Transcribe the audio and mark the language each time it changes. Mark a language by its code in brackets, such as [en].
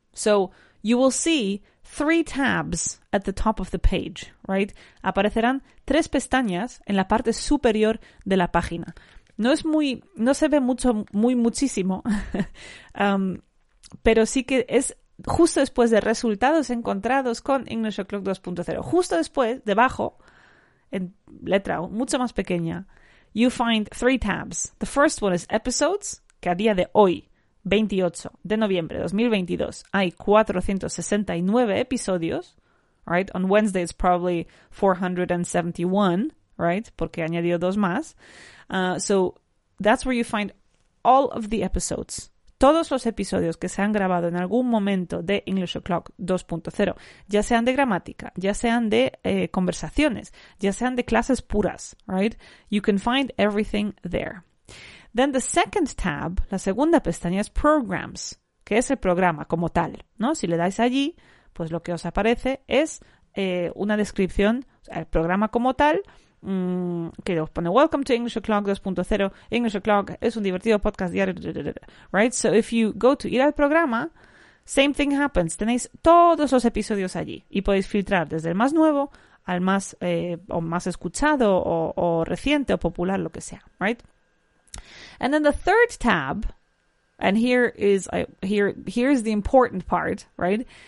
[en] So you will see three tabs at the top of the page, right? [es] Aparecerán tres pestañas en la parte superior de la página. No es muy, no se ve mucho, muy muchísimo, pero sí que es justo después de resultados encontrados con English O'Clock 2.0. Justo después, debajo, en letra mucho más pequeña, [en] you find three tabs. The first one is episodes, [es] que a día de hoy, 28 de noviembre 2022, hay 469 episodios, right? [en] On Wednesday it's probably 471, right? [es] Porque añadió dos más. [en] So that's where you find all of the episodes. [es] Todos los episodios que se han grabado en algún momento de English O'Clock 2.0, ya sean de gramática, ya sean de conversaciones, ya sean de clases puras, right? [en] You can find everything there. Then the second tab, [es] la segunda pestaña, es Programs, que es el programa como tal, ¿no? Si le dais allí, pues lo que os aparece es una descripción, o sea, el programa como tal, que os pone Welcome to English O'Clock 2.0, English O'Clock es un divertido podcast diario, right? [en] So if you go to [es] ir al programa, [en] same thing happens, [es] tenéis todos los episodios allí y podéis filtrar desde el más nuevo al más, o más escuchado, o reciente, o popular, lo que sea, right? [en] And then the third tab, and here is the important part, right?